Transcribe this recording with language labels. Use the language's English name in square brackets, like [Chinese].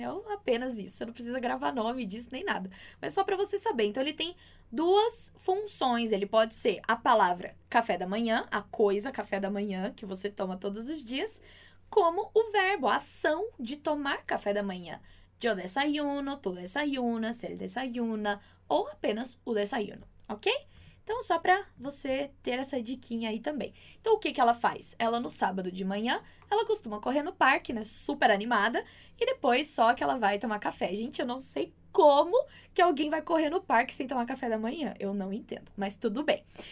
[Portuguese] É apenas isso, você não precisa gravar nome disso nem nada, mas só para você saber. Então, ele tem duas funções. Ele pode ser a palavra café da manhã, a coisa café da manhã que você toma todos os dias, como o verbo, a ação de tomar café da manhã. [Spanish] Yo desayuno, tú desayunas, él desayuna, [Portuguese] ou apenas o [Spanish] desayuno, ok? [Portuguese] Então, só para você ter essa diquinha aí também. Então, o que, que ela faz? Ela, no sábado de manhã, ela costuma correr no parque, né? Super animada. E depois, só que ela vai tomar café. Gente, eu não sei como que alguém vai correr no parque sem tomar café da manhã. Eu não entendo, mas tudo bem.